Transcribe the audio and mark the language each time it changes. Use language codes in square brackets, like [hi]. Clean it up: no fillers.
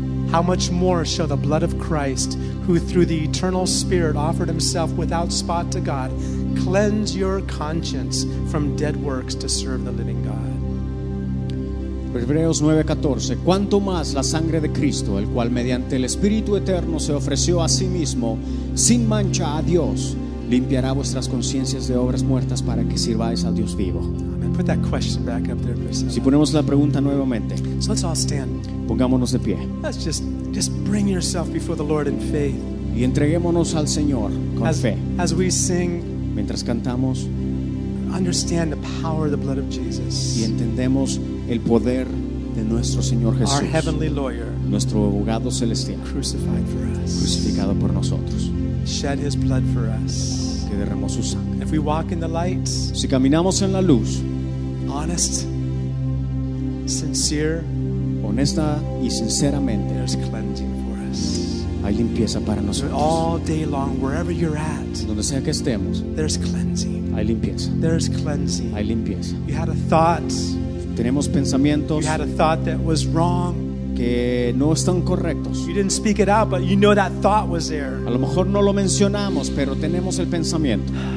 [en] How much more shall the blood of Christ, who through the eternal Spirit offered himself without spot to God, cleanse your conscience from dead works to serve the living God? [es] Hebreos 9:14. ¿Cuánto más la sangre de Cristo, el cual mediante el Espíritu eterno se ofreció a sí mismo sin mancha a Dios, limpiará vuestras conciencias de obras muertas para que sirváis al Dios vivo? [en] Put that question back up there, Priscilla. [es] Si ponemos la pregunta nuevamente. [en] So let's all stand. [es] Pongámonos de pie. [en] Let's just bring yourself before the Lord in faith. [es] Y entreguémonos al Señor con fe. [en] As we sing, [es] mientras cantamos, [en] understand the power of the blood of Jesus. [es] Y entendemos el poder de nuestro Señor Jesús. [en] Our heavenly lawyer. [es] Nuestro abogado celestial. [en] Crucified for us. [es] Crucificado por nosotros. [en] Shed his blood for us. [es] Que derramó su sangre. [en] If we walk in the light, [es] si caminamos en la luz, [en] honest, sincere, [es] honesta y sinceramente, [en] there's cleansing for us. [es] Hay limpieza para nosotros. [en] All day long, wherever you're at, [es] donde sea que estemos, [en] there's cleansing. [es] Hay limpieza. [en] There's cleansing. [es] Hay limpieza. [en] You had a thought. [es] Tenemos pensamientos. [en] You had a thought that was wrong. [es] Que no están correctos. [en] You didn't speak it out, but you know that thought was there. [es] A lo mejor no lo mencionamos, pero tenemos el pensamiento.